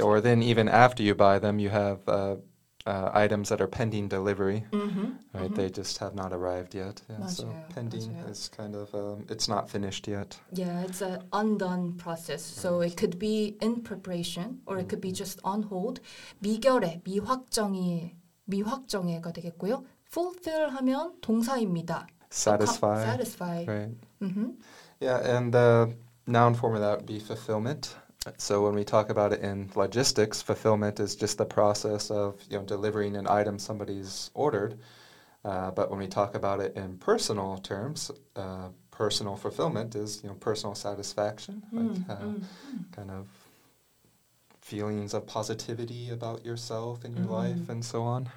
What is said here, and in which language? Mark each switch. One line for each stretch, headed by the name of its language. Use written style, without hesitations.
English: Or then even after you buy them, you have items that are pending delivery, mm-hmm. right? Mm-hmm. They just have not arrived yet. Yeah, not so sure. Pending not sure. is kind of, it's not finished yet. Yeah, it's an undone process. Right. So it could be in preparation or mm-hmm. it could be just on hold.
Korean: 미결에, 미확정에가 되겠고요. Fulfill 하면 동사입니다.
English: Satisfy. Satisfy. Right. Mm-hmm. Yeah, and the noun form of that would be fulfillment. So when we talk about it in logistics, fulfillment is just the process of, you know, delivering an item somebody's ordered. But when we talk about it in personal terms, personal fulfillment is, you know, personal satisfaction, kind of feelings of positivity about yourself and your life and so on.